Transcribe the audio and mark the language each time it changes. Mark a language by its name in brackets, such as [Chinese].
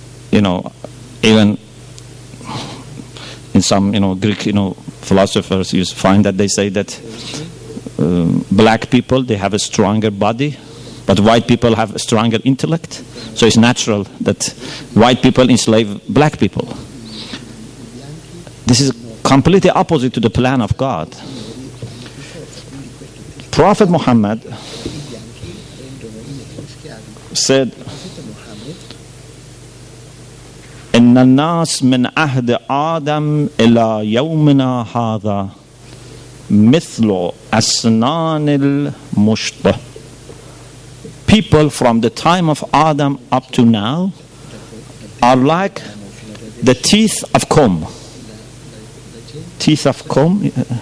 [English] You know, even in some, you know, Greek, you know, philosophers, you find that they say that black people, they have a stronger body, but white people have a stronger intellect. So it's natural that white people enslave black people. This is completely opposite to the plan of God. Prophet Muhammad said, [Arabic] إن الناس من عهد آدم إلى يومنا هذا مثل أسنان المشط. [English] People from the time of Adam up to now are like the teeth of comb. Teeth of comb?